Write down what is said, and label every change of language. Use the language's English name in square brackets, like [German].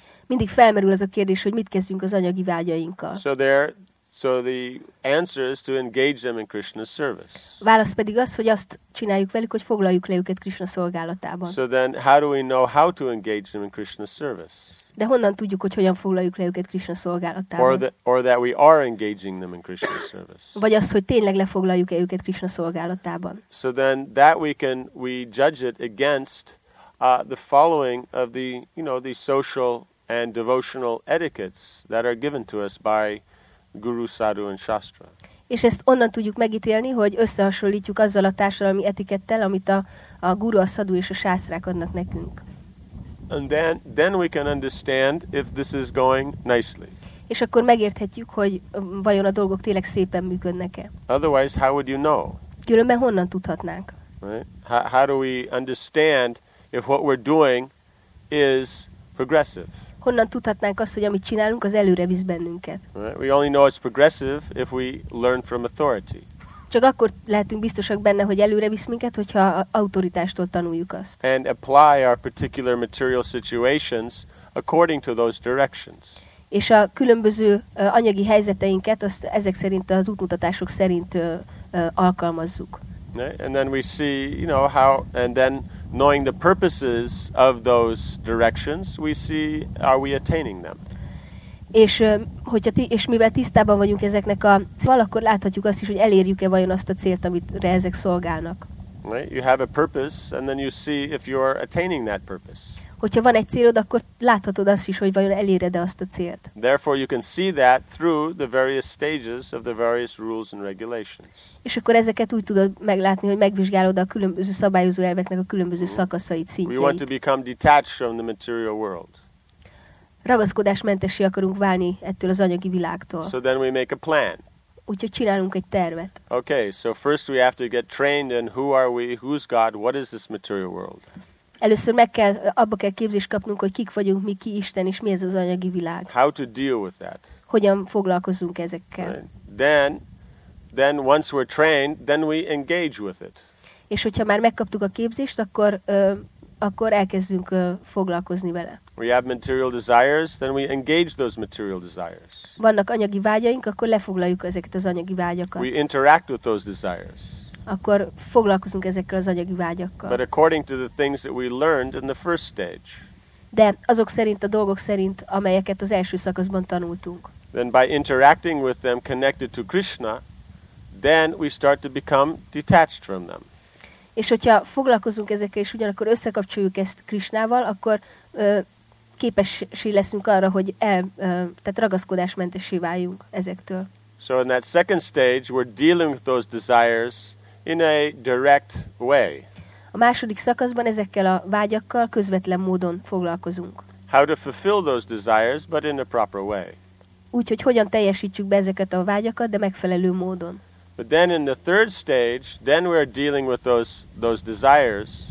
[Hungarian] Mindig felmerül az a kérdés, hogy mit kezdünk az anyagi vágyainkkal. [English] So the answer is to engage them in Krishna's service. [Hungarian] Válasz pedig az, hogy azt csináljuk velük, hogy foglaljuk le őket Krishna szolgálatában. [English] So then how do we know how to engage them in Krishna's service? [Hungarian] De honnan tudjuk, hogy hogyan foglaljuk le őket Krisna szolgálatában? [English] Or that we are engaging them in Krishna service. [Hungarian] Vagy az, hogy tényleg lefoglaljuk őket Krisna szolgálatában. [English] So then that we judge it against the following of the, you know, the social and devotional etiquettes that are given to us by Guru, Sadhu and Shastra. [Hungarian] És ezt onnan tudjuk megítélni, hogy összehasonlítjuk azzal a társadalmi etikettel, amit a guru, a szadu és a sászrák adnak nekünk. [English] And then we can understand if this is going nicely. [Hungarian] És akkor megérthetjük, hogy vajon a dolgok tényleg szépen működnek-e. [English] Otherwise, how would you know? [Hungarian] Különben honnan tudhatnánk? [English] Right? How do we understand if what we're doing is progressive? [Hungarian] Honnan tudhatnánk azt, hogy amit csinálunk, az előre visz bennünket? [English] Right? We only know it's progressive if we learn from authority. [Hungarian] Csak akkor lehetünk biztosak benne, hogy előre visz minket, hogyha autoritástól tanuljuk azt. [English] And apply our particular material situations according to those directions. [Hungarian] És a különböző anyagi helyzeteinket azt ezek szerint az útmutatások szerint alkalmazzuk. [English] Right? And then we see, you know, how and then knowing the purposes of those directions, we see are we attaining them. [Hungarian] És hogyha és mivel tisztában vagyunk ezeknek a szóval, akkor láthatjuk azt is, hogy elérjük-e vajon azt a célt, amit ezek szolgálnak. [English] Right? You have a purpose and then you see if you are attaining that purpose. [Hungarian] Hogyha van egy célod, akkor láthatod azt is, hogy vajon eléred-e azt a célt. [English] Therefore you can see that through the various stages of the various rules and regulations. [Hungarian] És akkor ezeket úgy tudod meglátni, hogy megvizsgálod a különböző szabályozó elveknek a különböző szakaszait, szintjeit. [English] We want to become detached from the material world. [Hungarian] Ragaszkodásmentessé akarunk válni ettől az anyagi világtól. [English] So then we make a plan. [Hungarian] Úgyhogy csinálunk egy tervet. [English] Okay, so first we have to get trained in who are we, who's God, what is this material world? [Hungarian] Először meg kell, abba kell képzést kapnunk, hogy kik vagyunk, mi, ki Isten, és mi ez az anyagi világ. [English] How to deal with that? [Hungarian] Hogyan foglalkozunk ezekkel? [English] Right. Then once we're trained, then we engage with it. [Hungarian] És hogyha már megkaptuk a képzést, akkor elkezdünk foglalkozni vele. [English] We have material desires, then we engage those material desires. [Hungarian] Vannak anyagi vágyaink, akkor lefoglaljuk ezeket az anyagi vágyakat. [English] We interact with those desires. [Hungarian] Akkor foglalkozunk ezekkel az anyagi vágyakkal. [English] But according to the things that we learned in the first stage. [Hungarian] De azok szerint, a dolgok szerint, amelyeket az első szakaszban tanultunk. [English] Then by interacting with them connected to Krishna, then we start to become detached from them. [Hungarian] És hogyha foglalkozunk ezekkel, és ugyanakkor összekapcsoljuk ezt Krishnával, akkor képessé leszünk arra, hogy tehát ragaszkodásmentessé váljunk ezektől. [English] So in that second stage, we're dealing with those desires in a direct way. [Hungarian] A második szakaszban ezekkel a vágyakkal közvetlen módon foglalkozunk. [English] How to fulfill those desires, but in a proper way. [Hungarian] Úgy, hogy hogyan teljesítjük be ezeket a vágyakat, de megfelelő módon. [English] But then in the third stage, then we're dealing with those desires.